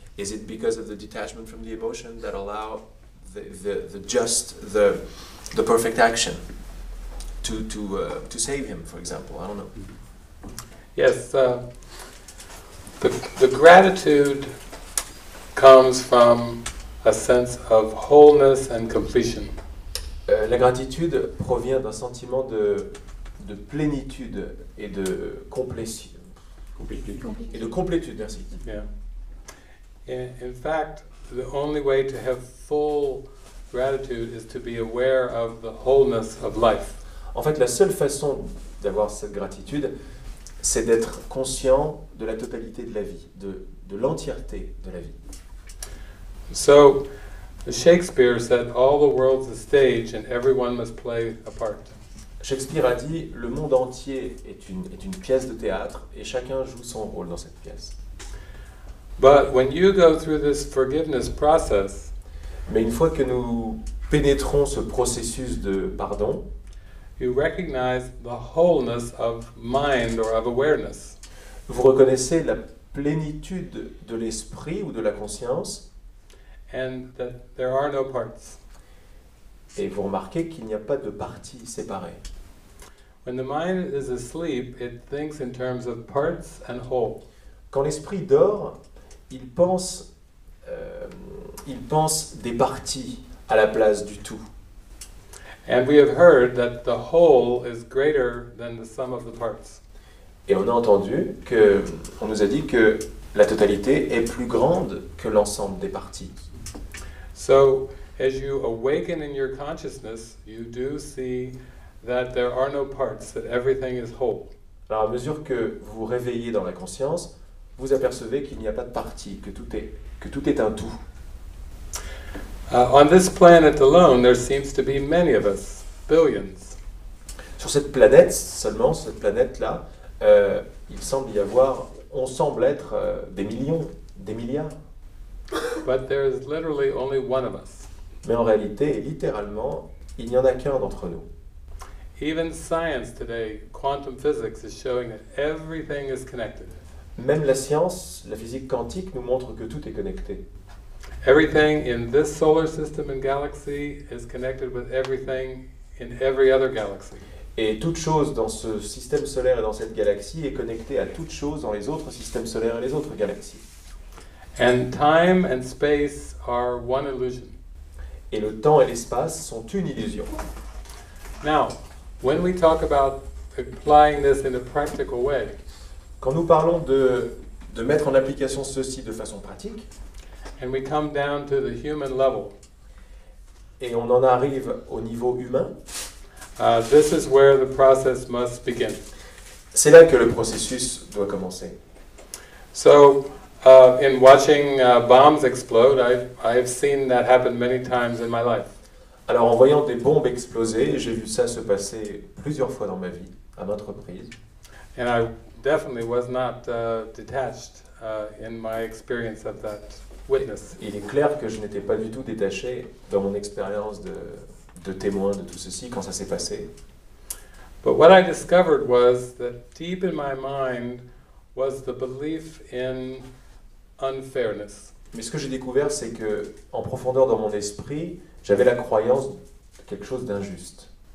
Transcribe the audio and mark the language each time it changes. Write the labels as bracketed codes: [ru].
[en] Is it because of the detachment from the emotion that allow the perfect action to save him, for example? I don't know. Yes, the gratitude comes from a sense of wholeness and completion. [fr] La gratitude provient d'un sentiment de plénitude et de complétude. Et de complétude, merci. [en] Yeah. In fact, the only way to have full gratitude is to be aware of the wholeness of life. [fr] En fait, la seule façon d'avoir cette gratitude, c'est d'être conscient de la totalité de la vie, de l'entièreté de la vie. [en] So, Shakespeare said, "All the world's a stage, and everyone must play a part." [fr] Shakespeare a dit, "Le monde entier est une pièce de théâtre, et chacun joue son rôle dans cette pièce." [en] But when you go through this forgiveness process, [fr] mais une fois que nous pénétrons ce processus de pardon, [en] you recognize the wholeness of mind or of awareness. [fr] Vous reconnaissez la plénitude de l'esprit ou de la conscience. [en] And that there are no parts. [fr] Et vous remarquez qu'il n'y a pas de parties séparées. [en] When the mind is asleep, it thinks in terms of parts and whole. [fr] Quand l'esprit dort, il pense des parties à la place du tout. [en] And we have heard that the whole is greater than the sum of the parts. [fr] Et on a entendu que on nous a dit que la totalité est plus grande que l'ensemble des parties. [en] So, as you awaken in your consciousness, you do see that there are no parts, that everything is whole. [fr] Alors, à mesure que vous réveillez dans la conscience, vous apercevez qu'il n'y a pas de parties, que tout est un tout. [en] On this planet alone, there seems to be many of us, billions. [fr] Sur cette planète seulement, cette planète-là, on semble être des millions, des milliards. [en] But there is literally only one of us. [fr] Mais en réalité, littéralement, il n'y en a qu'un d'entre nous. [en] Even science today, quantum physics is showing that everything is connected. [fr] Même la science, la physique quantique, nous montre que tout est connecté. [en] Everything in this solar system and galaxy is connected with everything in every other galaxy. [fr] Et toute chose dans ce système solaire et dans cette galaxie est connectée à toute chose dans les autres systèmes solaires et les autres galaxies. [en] And time and space are one illusion. [fr] Et le temps et l'espace sont une illusion. [en] Now, when we talk about applying this in a practical way, [fr] quand nous parlons de mettre en application ceci de façon pratique, [en] and we come down to the human level, [fr] et on en arrive au niveau humain, [en] this is where the process must begin. [fr] C'est là que le processus doit commencer. [en] So, in watching bombs explode, I've seen that happen many times in my life. [fr] Alors en voyant des bombes exploser, j'ai vu ça se passer plusieurs fois dans ma vie, à maintes reprises. [en] And I definitely was not detached in my experience of that witness. [fr] Il est clair que je n'étais pas du tout détaché dans mon expérience de témoin de tout ceci quand ça s'est passé. [en] But what I discovered was that deep in my mind was the belief in unfairness. [fr] Mais ce que j'ai découvert, c'est que, en profondeur dans mon esprit, j'avais la croyance de quelque chose d'injuste.